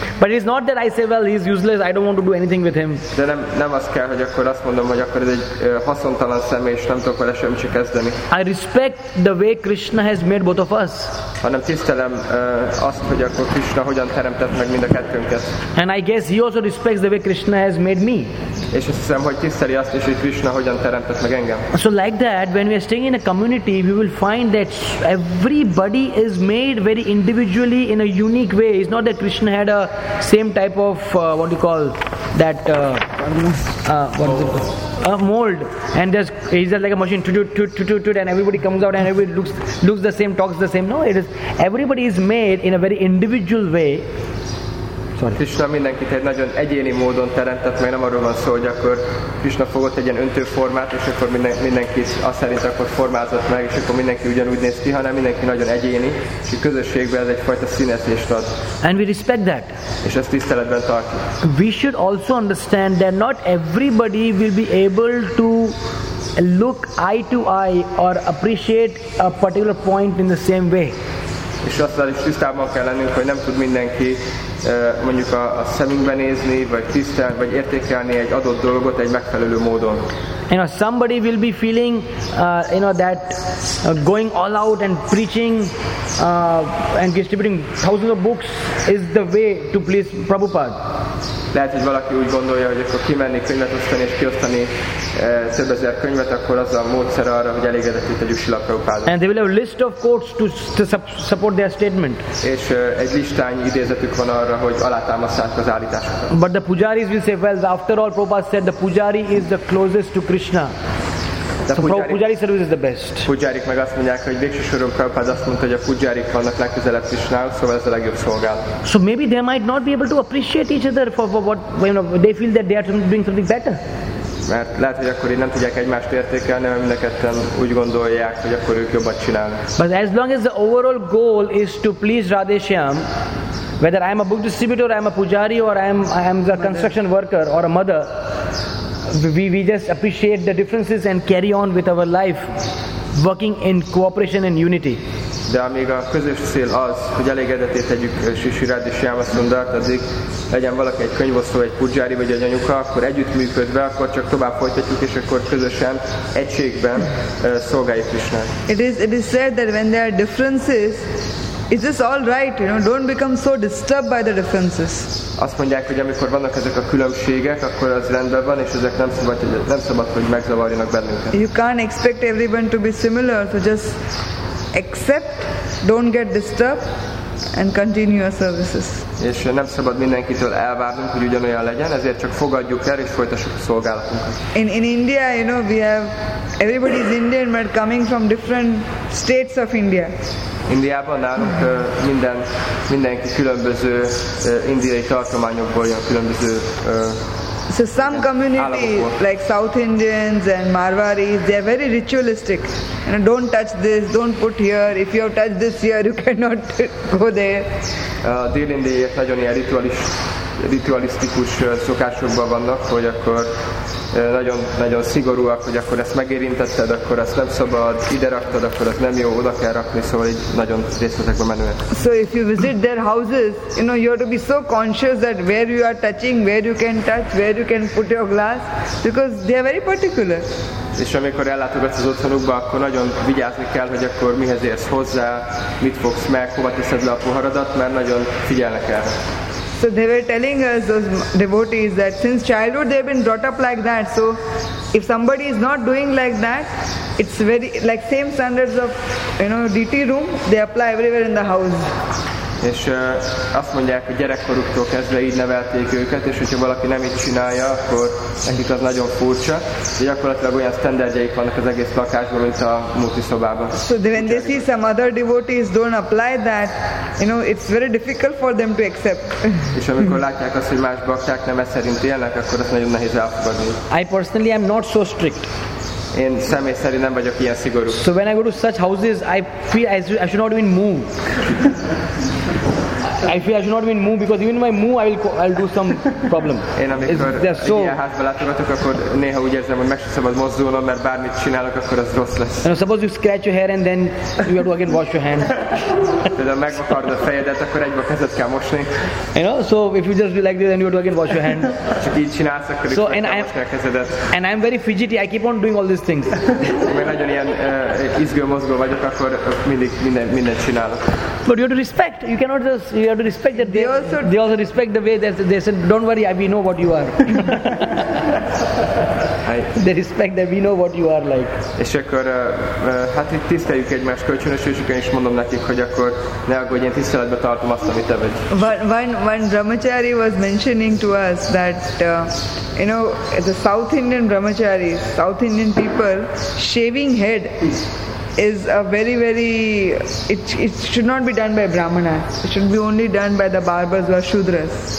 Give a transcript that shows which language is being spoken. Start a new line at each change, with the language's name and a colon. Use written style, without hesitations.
English: But it's not that I say, well, he's useless, I don't want to do anything with him.
Hungarian: De nem az kell, hogy akkor azt mondom, hogy akkor ez egy haszontalan személy, és nem tudok vele semmit se kezdeni.
English: I respect the way Krishna has made both of us.
Hungarian: Hanem tisztelem azt, hogy akkor Krishna hogyan teremtett meg mind a kettőnket.
English: And I guess he also respects the way Krishna has made me.
Hungarian: És azt hiszem, hogy tiszteli azt is, hogy Krishna hogyan teremtett meg engem.
English: So like that, when we are staying in a community, we will find that everybody is made very individually in a unique way. It's not that Krishna had a same type of mold, and just he's just like a machine, and everybody comes out and everybody looks the same, talks the same. No, it is everybody is made in a very individual way.
Hungarian: Krishna mindenkit egy nagyon egyéni módon teremtett, mert nem arról van szó, hogy akkor Krishna fogott egy ilyen öntő formát, és akkor mindenki azt szerint akkor formázott meg, és akkor mindenki ugyanúgy néz ki, hanem mindenki nagyon egyéni, és a közösségben ez egyfajta színezést ad.
English: And we respect that.
Hungarian: És ezt tiszteletben tartjuk.
English: We should also understand that not everybody will be able to look eye to eye or appreciate a particular point in the same way.
Hungarian: És aztán is tisztában kell lennünk, hogy nem tud mindenki mondjuk a szemünkbe nézni, vagy tisztelni, vagy értékelni egy adott dolgot egy megfelelő módon.
English: You know, somebody will be feeling, you know, that going all out and preaching and distributing thousands of books is the way to please Prabhupada.
Hungarian: Lehet, hogy valaki úgy gondolja, hogy akkor kimenni könyvet osztani és kiosztani több ezer könyvet, akkor az a módszer arra, hogy elégedetlen legyen Srila Prabhupada.
English: And they will have a list of quotes to support their statement.
Hungarian: És egy listány idézetük van arra, hogy alátámasztják az állításokat.
English: But the pujaris will say, well, after all, Prabhupada said the pujari is the closest to Krishna. So pujari service is the best.
Hungarian: Pujarik meg azt mondják, hogy végső soron Prabhupada azt mondta, hogy a pujarik vannak legközelebb Krishnához, szóval ez a legjobb szolgálat.
English: So maybe they might not be able to appreciate each other for what, you know, they feel that they are doing something better.
Hungarian: Mert lehet, hogy akkor így nem tudják egymást értékelni, mert mindenketten úgy gondolják, hogy akkor ők jobbat csinálnak.
English: But as long as the overall goal is to please Radhesham, whether I am a book distributor, I am a pujari, or I am a construction worker or a mother, we just appreciate the differences and carry on with our life working in cooperation and unity.
Hungarian: De amíg a közös cél az, hogy elégedetté tegyük Sri Radhesham Sundart, addig legyen valaki egy könyvosztó, egy pudzsári vagy egy anyuka, akkor együttműködve, akkor csak tovább folytatjuk, és akkor közösen, egységben szolgáljuk Krishnát.
English: It is said that when there are differences, is this all right? You know, don't become so disturbed by the differences.
Hungarian: Azt mondják, hogy amikor vannak ezek a különbségek, akkor az rendben van, és ezek nem szabad, hogy megzavarjanak bennünket.
English: You can't expect everyone to be similar, so just accept, don't get disturbed, and continue your services.
Hungarian: És nem szabad mindenkitől elvárnunk, hogy ugyanolyan legyen, ezért csak fogadjuk el és folytassuk a szolgálatunkat.
English: In India, you know, we have everybody is Indian, but coming from different states of India.
Hungarian: Indiában nálunk mindenki különböző indiai tartományokból jön, különböző
English: so some community like South Indians and Marwaris, they are very ritualistic. You know, don't touch this, don't put here. If you have touched this here, you cannot go there.
Hungarian: Dél-indiaiak nagyon ilyen ritualisták. ritualisztikus szokásokban vannak, hogy akkor nagyon, nagyon szigorúak, hogy akkor ezt megérintetted, akkor ezt nem szabad, ide raktad, akkor ez nem jó, oda kell rakni, szóval így nagyon részletekben menően.
English: So if you visit their houses, you know, you have to be so conscious that where you are touching, where you can touch, where you can put your glass, because they are very particular.
Hungarian: És amikor ellátogatsz az otthonukba, akkor nagyon vigyázni kell, hogy akkor mihez érsz hozzá, mit fogsz meg, hova teszed le a poharadat, mert nagyon figyelnek erre.
English: So they were telling us, those devotees, that since childhood they have been brought up like that, so if somebody is not doing like that, it's very, like same standards of, you know, DT room, they apply everywhere in the house.
Hungarian: És azt mondják, hogy gyerekkoruktól kezdve így nevelték őket, és hogyha valaki nem így csinálja, akkor nekik az nagyon furcsa. De gyakorlatilag olyan standardjaik vannak az egész lakásban, mint a múlti szobában.
English: So then when they see some other devotees don't apply that, you know, it's very difficult for them to accept.
Hungarian: És amikor látják azt, hogy más bakták nem ezt szerint élnek, akkor ez nagyon nehéz elfogadni.
English: I personally am not so strict.
Hungarian: Én személy szerint nem vagyok ilyen szigorú.
English: So when I go to such houses, I feel as I should not even move. I feel I should not even move, because even if I move, I'll do some problem.
Hungarian: Én amikor egy ilyen házba látogatok, akkor néha úgy érzem, hogy meg sem szabad mozdulnom, mert bármit csinálok, akkor az rossz lesz.
English: You know, suppose you scratch your hair and then you have to again wash your hand.
Hungarian: Például megvakarod a fejedet, akkor egyből kezed kell mosni.
English: You know, so if you just do like this, then you have to again wash your hand.
Hungarian: Csak így csinálsz, akkor so, meg kell mosni a kezedet.
English: And I'm very fidgety, I keep on doing all these things.
Hungarian: Mert nagyon ilyen izgő-mozgó vagyok, akkor mindig mindent csinálok.
English: But you have to respect. You cannot just, you have to respect that they also respect the way that they said, don't worry, we know what you are. They respect that we know what you are like.
Hungarian: És akkor hát itt tiszteljük egymás kölcsönösségükön, és mondom nekik, hogy akkor ne aggódj, én tiszteletbe tartom azt, amit te vagy.
English: One brahmachari was mentioning to us that you know, the South Indian brahmacharis, South Indian people shaving head is a very, very, it should not be done by brahmana, it should be only done by the barbers or shudras.